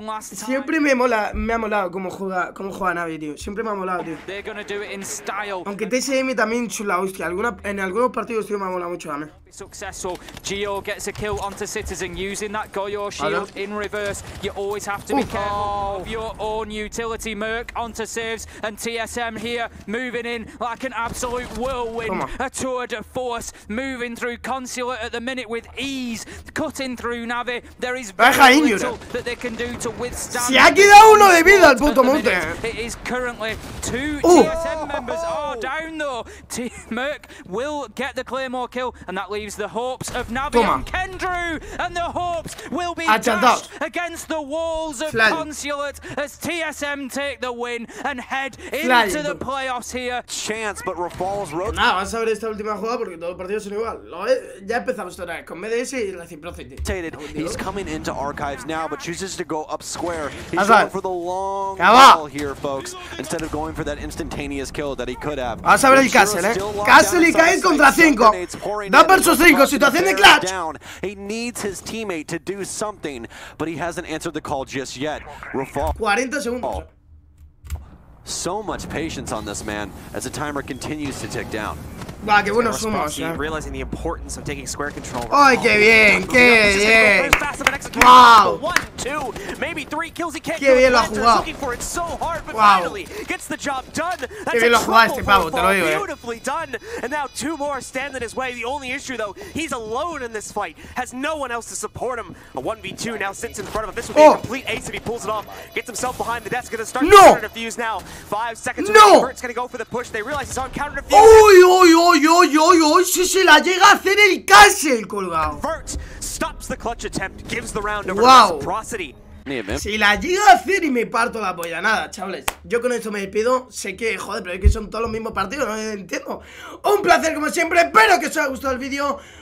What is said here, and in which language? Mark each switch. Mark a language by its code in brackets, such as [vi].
[es] Siempre me ha molado cómo juega Navi, tío. Siempre me ha molado, tío. Aunque TSM también chula, hostia. En algunos partidos, tío, me ha molado mucho a mí. [en] Successful. Geo gets a kill onto Citizen using that Goyo shield in reverse. You always have to be careful of your own utility. Merc onto saves and TSM here moving in like an absolute whirlwind. [es] forma. [en] A tour de force moving through consulate at the minute with ease, cutting through Navi. There is very little that they can do to withstand. [es] Se ha quedado uno de vida al puto monte. [en] It is currently two TSM members are down though. Team Merc will get the Claymore kill, and that leaves the hopes of Navi [es] Toma. [en] And Kendrew, and the hopes will be dashed against the walls of Flying. Consulate as TSM take the win and head into Flying. The playoffs here. Chance, but Rafal's road. [es] Nada, vamos a ver esta última jugada porque todos los partidos son igual. Ya empezamos otra vez con MDS y Reciprocity. [en] He's coming into archives now, but chooses to go up square. He's Asad. Going for the long ball here, folks, instead of going for that instantaneous kill that he could have. [es] Vamos a ver el Castle, Castle y Kai contra 5. Dos versus 5, situación de clutch. [en] Down. He needs his teammate to do something, but he hasn't answered the call just yet. Rafal. [es] 40 segundos. [en] So much patience on this man as the timer continues to tick down. Wow, [es] qué buenos somos, ¿eh? [en] Realizing the importance of taking square control. [es] Ay, qué bien, qué bien. [en] Wow. [es] 1-2, [en] maybe 3 kills he can't. [es] Qué bien lo ha jugado. [en] For it so hard, but wow. Finally gets the job done. [es] Qué bien lo ha jugado este pavo, te lo digo. [en] Beautifully done. And now two more stand in his way. The only issue though, he's alone in this fight. Has no one else to support him. A 1v2 now sits in front of him. This will be a complete ace if he pulls it off. Gets himself behind the desk, gonna start to defuse now. 5 seconds. No. Kurt's gonna go for the push. They realize he's on counter defuse. [es] Oy, si se la llega a hacer el castle, colgado. [en] Vert stops the clutch attempt, gives the round over to Reciprocity. [es] Si la llega a hacer y me parto la polla, nada, chavales. Yo con esto me despido. Sé que, joder, pero es que son todos los mismos partidos, no entiendo. Un placer como siempre, espero que os haya gustado el vídeo.